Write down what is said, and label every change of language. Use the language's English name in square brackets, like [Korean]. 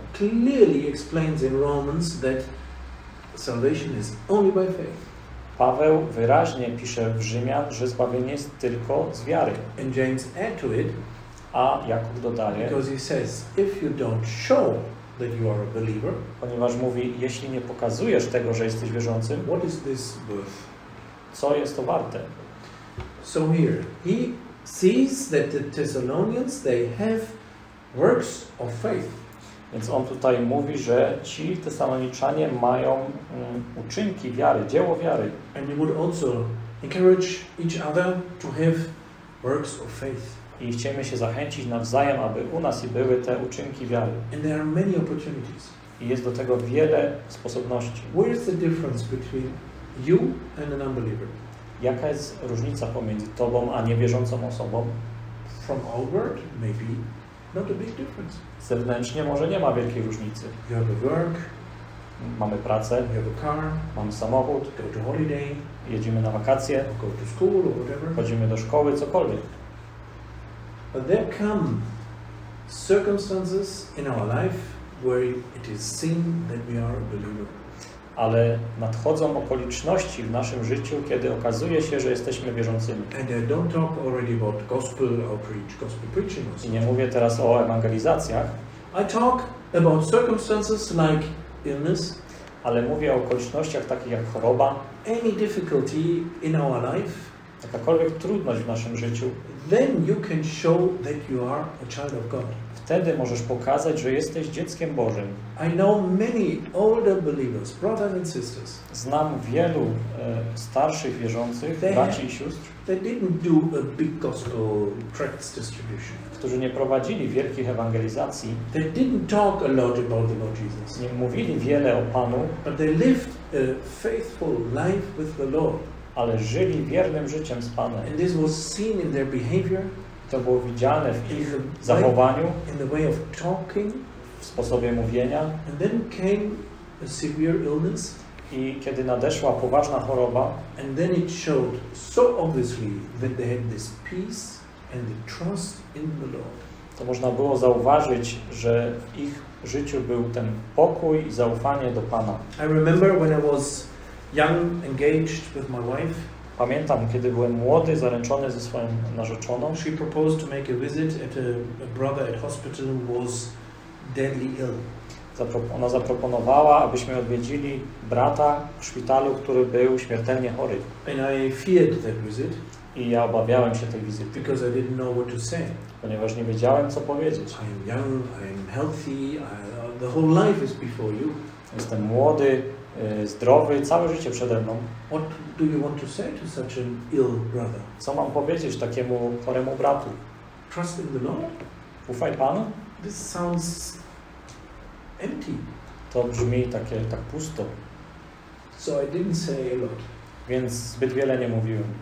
[English] Clearly explains in Romans that salvation is only by faith. [Polish] Paweł wyraźnie pisze w Rzymian, że zbawienie jest tylko z wiary. [English] And James adds to it, [Polish] a Jakub dodaje, [English] because he says, if you don't show that you are a believer, [Polish] ponieważ mówi, jeśli nie pokazujesz tego, że jesteś wierzącym, [English] what is this worth? [Polish] Co jest to warte? [English] So here, he sees that the Thessalonians, they have works of faith. [Polish] Więc on tutaj mówi, że ci Tesaloniczanie mają uczynki wiary, dzieło wiary. [English] And we would also encourage each other to have works of faith. [Polish] I chcemy się zachęcić nawzajem, aby u nas i były te uczynki wiary. [English] And there are many opportunities. [Polish] I jest do tego wiele sposobności. [English] Where is the difference between you and an unbeliever? [Polish] Jaka jest różnica pomiędzy tobą a niewierzącą osobą? [English] From outward, maybe. Not a big difference. [Polish] Zewnętrznie może nie ma wielkiej różnicy. [English] You have a work. [Polish] Mamy pracę. [English] You have a car. [Polish] Mamy samochód. [English] Go to holiday. [Polish] Jedziemy na wakacje. [English] Go to school or whatever. [Polish] Chodzimy do szkoły, cokolwiek. [English] But there come circumstances in our life where it is seen that we are a believer. [Polish] Ale nadchodzą okoliczności w naszym życiu, kiedy okazuje się, że jesteśmy wierzącymi. [English] And I don't talk already about gospel or preach, gospel preaching or something. [Polish] I nie mówię teraz o ewangelizacjach. [English] I talk about circumstances like illness. [Polish] Ale mówię o okolicznościach takich jak choroba. [English] Any difficulty in our life. [Polish] Jakakolwiek trudność w naszym życiu. [English] Then you can show that you are a child of God. [Polish] Wtedy możesz pokazać, że jesteś dzieckiem Bożym. [English] I know many older believers, brothers and sisters. [Polish] Znam wielu starszych wierzących, braci i sióstr. [English] They didn't do a big gospel tracts distribution. [Polish] Którzy nie prowadzili wielkich ewangelizacji. [English] They didn't talk a lot about the Lord Jesus. [Polish] Nie mówili wiele o Panu. [English] But they lived a faithful life with the Lord. [Polish] Ale żyli wiernym życiem z Panem. [English] And this was seen in their behavior. [Polish] To było widziane w ich zachowaniu, [English] in the way of talking, [Polish] w sposobie mówienia. [English] And then came a severe illness. [Polish] I kiedy nadeszła poważna choroba, [English] and then it showed so obviously that they had this peace and the trust in the Lord. [Polish] To można było zauważyć, że w ich życiu był ten pokój i zaufanie do Pana. [English] I remember when I was young, engaged with my wife. [Polish] Pamiętam, kiedy byłem młody, zaręczony ze swoją narzeczoną. [English] She proposed to make a visit at a brother at hospital who was deadly ill. [Polish] Ona zaproponowała, abyśmy odwiedzili brata w szpitalu, który był śmiertelnie chory. [English] And I feared that visit. [Polish] I ja obawiałem się tej wizyty. [English] Because I didn't know what to say. [Polish] Ponieważ nie wiedziałem, co powiedzieć. [English] I am young, I am healthy, the whole life is before you. [Polish] Jestem młody, zdrowy, całe życie przede mną. [English] What do you want to say to such an ill brother? [Polish] Co mam powiedzieć takiemu choremu bratu? [English] Trust in the Lord? [Polish] Ufaj Panu? [English] This sounds empty. [Polish] To brzmi takie tak pusto. [English] So I didn't say a lot. [Polish] Więc zbyt wiele nie mówiłem.